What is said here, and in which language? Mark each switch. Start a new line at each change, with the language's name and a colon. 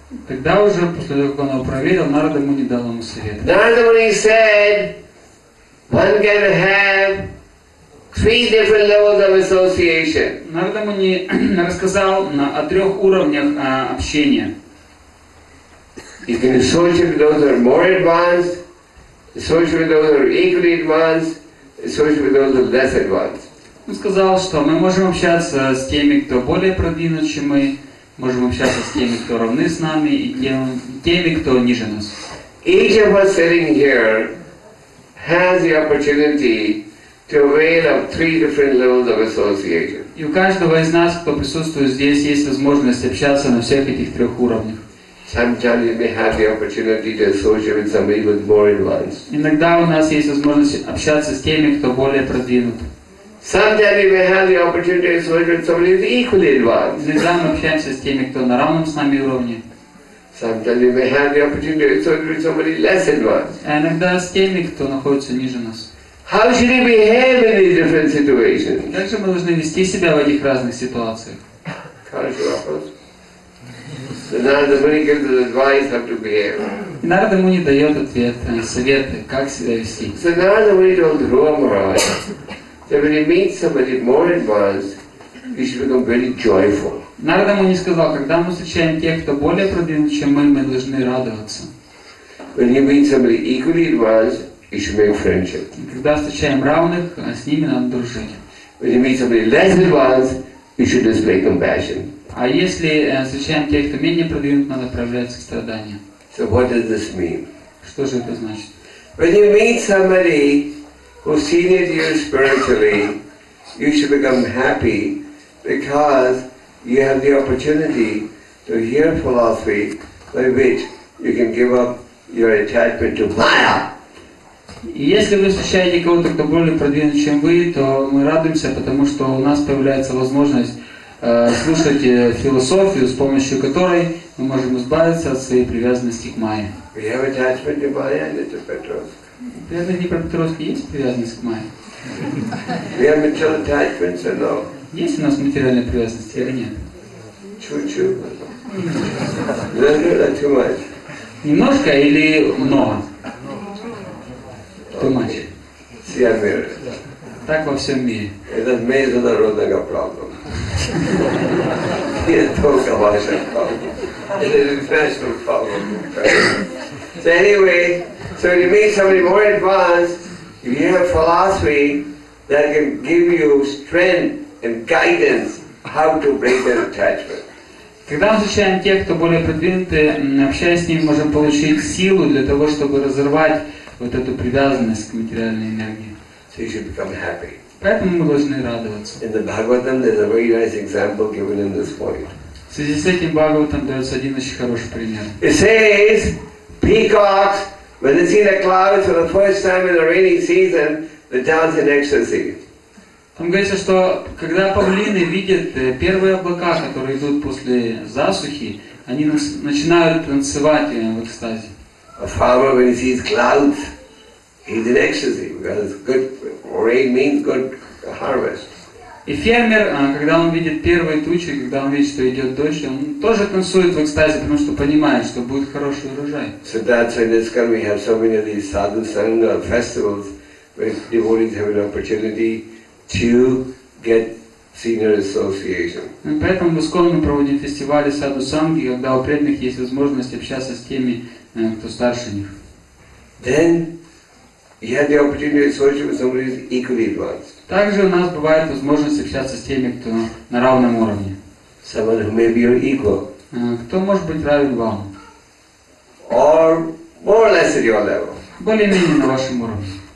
Russian: Тогда уже, после того, как он его проверил, Нарада ему не дал ему совета.
English: Нарада Муни said, one can have three different levels of association.
Russian: Нарада Муни рассказал о трех уровнях общения.
English: You can associate with those who are more advanced, associate with those who are equally advanced, associate with those who are less advanced.
Russian: Он сказал, что мы можем общаться с теми, кто более продвинут, чем мы. Можем общаться с теми, кто равны с нами, и теми, кто ниже нас.
English: Each of us sitting here has the opportunity to avail of three different levels of association.
Russian: И у каждого из нас, кто присутствует здесь, есть возможность общаться на всех этих трех уровнях.
English: Sometimes you may have the opportunity to associate with somebody with more advanced.
Russian: Иногда у нас есть возможность общаться с теми, кто более продвинут.
English: Sometimes we have the opportunity to associate with somebody who is equally advanced.
Russian: Иногда мы общаемся с теми, кто на равном с нами уровне.
English: Sometimes we have the opportunity to associate with somebody less advanced.
Russian: Иногда с теми, кто находится ниже нас.
English: How should we behave in these different situations?
Russian: Как же мы должны вести себя в этих разных ситуациях?
English: Narada Muni gives us advice how to behave.
Russian: Нарада Муни дает ответ, советы, как себя вести.
English: So Narada Muni told Dhruva Maharaj. So when you meet somebody more advanced, you should become very joyful.
Russian: Нарада Муни сказал, когда мы встречаем тех, кто более продвинут, чем мы должны радоваться.
English: When you meet somebody equally advanced, you should make friendship.
Russian: Когда встречаем равных, с ними надо дружить.
English: When you meet somebody less advanced, you should display compassion.
Russian: А если встречаем тех, кто менее продвинут, надо проявлять сострадание.
English: So what does this mean?
Russian: Что же это значит?
English: When you meet somebody who is senior to you spiritually, you should become happy because you have the opportunity to hear philosophy by which you can give up your attachment to Maya.
Russian: Если вы встречаете кого-то, кто более продвинутый, чем вы, то мы радуемся, потому что у нас появляется возможность слушать философию, с помощью которой мы можем избавиться от своей привязанности к Майе.
English: We have attachment to Maya and to Petrovsk.
Russian: Верно, Днепропетровск, есть привязанность к Майе?
English: We have material attachments or no?
Russian: Есть у нас материальная привязанность или нет?
English: Чу-чу. Little or too much?
Russian: Немножко или много?
English: Too much.
Russian: Вся мир. Так во всем мире. Это международная проблема. Не только ваша проблема. Это
English: international problem. So anyway, so you meet somebody more advanced, if you have philosophy that can give you strength and guidance how to break that attachment.
Russian: Когда мы встречаем тех, кто более продвинутый, общаясь с ними, можем получить силу для того, чтобы разорвать вот эту привязанность к материальной энергии.
English: So you should become happy.
Russian: Поэтому мы должны радоваться.
English: In the Bhagavatam, there's a very nice example given in this point.
Russian: В связи с этим Бхагаватам дается один очень хороший пример.
English: It says, peacocks, when they see the clouds for the first time in the rainy season, they dance in ecstasy.
Russian: Там говорится, что когда павлины видят первые облака, которые идут после засухи, они начинают танцевать в экстазе.
English: A farmer when he sees clouds, he's in ecstasy because it's good rain means good harvest.
Russian: И фермер, когда он видит первые тучи, когда он видит, что идет дождь, он тоже танцует в экстазе, потому что понимает, что будет хороший урожай.
English: So that's why in this country we have so many of these sadhu sangha festivals where devotees have an opportunity to get senior association.
Russian: Поэтому в Искон мы проводим фестивали саду санги, когда у преданных есть возможность общаться с теми, кто старше них.
English: Then you have the opportunity to associate with somebody who is equally advanced.
Russian: Также у нас бывает возможность общаться с теми, кто на равном уровне.
English: Someone who may be your equal.
Russian: Кто может быть равен вам?
English: Or more or less at your level.
Russian: Более-менее на вашем уровне.